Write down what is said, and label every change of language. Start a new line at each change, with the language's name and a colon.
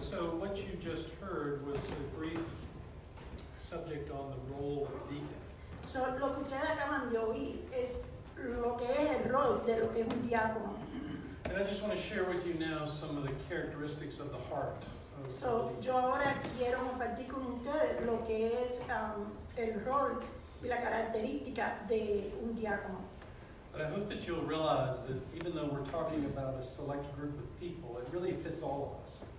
English: So what you just heard was a brief subject on the role of deacon.
Spanish: So lo que ustedes acaban de oír es lo que es el rol de lo que es un diácono.
English: And I just want to share with you now some of the characteristics of the heart.
Spanish: So yo ahora quiero compartir con ustedes lo que es el rol y la característica de un diácono.
English: But I hope that you'll realize that even though when we're talking about a select group of people, it really fits all of us.